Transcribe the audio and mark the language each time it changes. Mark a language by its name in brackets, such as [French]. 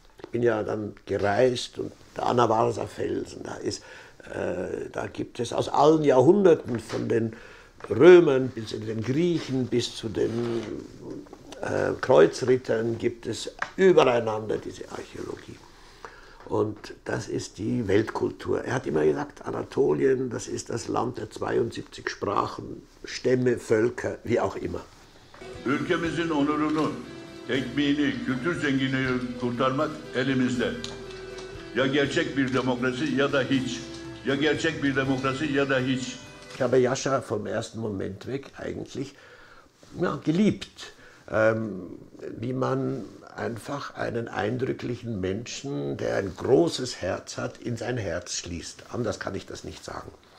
[German] Ich bin ja dann gereist und der Anavarsa-Felsen, da gibt es aus allen Jahrhunderten, von den Römern bis zu den Griechen, bis zu den Kreuzrittern, gibt es übereinander diese Archäologie. Und das ist die Weltkultur. Er hat immer gesagt, Anatolien, das ist das Land der 72 Sprachen, Stämme, Völker, wie auch immer. [Turkish] Ülkemizin onurunu, ekmeğini, kültür zenginliğini kurtarmak elimizde. Ya gerçek bir demokrasi ya da hiç. Ja gerçek bir demokrasi ya da hiç. [German] Ich habe Yaşar vom ersten Moment weg eigentlich geliebt. Wie man einfach einen eindrücklichen Menschen, der ein großes Herz hat, in sein Herz schließt. Anders kann ich das nicht sagen.